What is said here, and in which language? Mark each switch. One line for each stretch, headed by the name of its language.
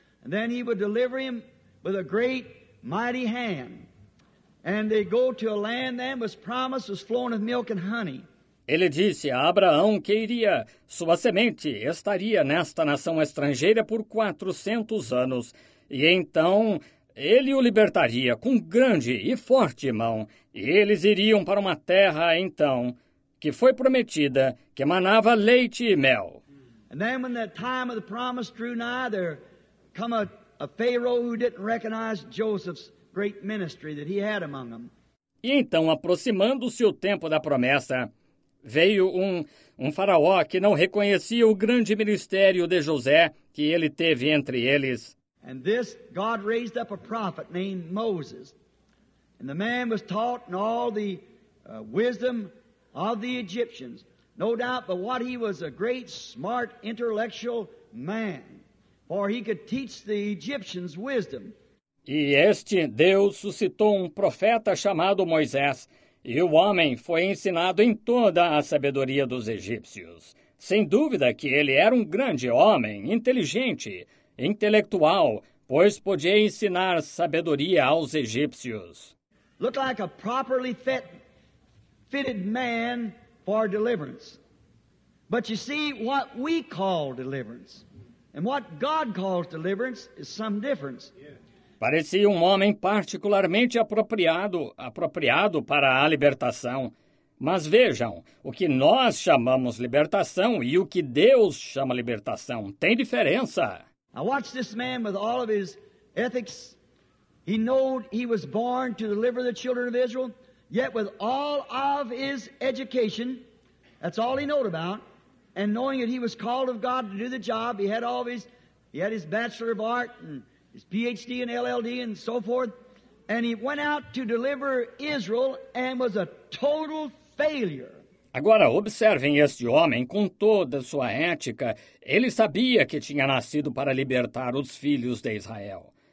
English: And then he would deliver him with a great, mighty hand. And they go to a land that was promised, was flowing with milk and honey.
Portuguese: Ele disse a Abraão que iria, sua semente estaria nesta nação estrangeira por 400 anos. E então ele o libertaria com grande e forte mão. E eles iriam para uma terra, então, que foi prometida, que emanava leite e mel.
English: And then when the time of the promise drew nigh, there come a Pharaoh who didn't recognize Joseph's great ministry that he had among them.
Portuguese: E então, aproximando-se o tempo da promessa, veio um faraó que não reconhecia o grande ministério de José que ele teve entre eles.
English: And this God raised up a prophet named Moses. And the man was taught in all the wisdom of the Egyptians. No doubt, but what he was a great, smart, intellectual man. For he could teach the Egyptians wisdom.
Portuguese: E este Deus suscitou um profeta chamado Moisés, e o homem foi ensinado em toda a sabedoria dos egípcios. Sem dúvida que ele era um grande homem, inteligente, intelectual, pois podia ensinar sabedoria aos egípcios.
English: Looked like a properly fitted man for deliverance. But you see, what we call deliverance and what God calls deliverance is some difference.
Portuguese: Parecia um homem particularmente apropriado para a libertação. Mas vejam, o que nós chamamos libertação e o que Deus chama libertação tem diferença.
English: I watched this man with all of his ethics. He knew he was born to deliver the children of Israel, yet with all of his education, that's all he knew about, and knowing that he was called of God to do the job, he had his Bachelor of Art and his PhD and LLD and so forth, and he went out to deliver Israel and was a total failure.
Portuguese: Agora, observem este homem com toda sua ética. Ele sabia que tinha nascido para libertar os filhos de Israel.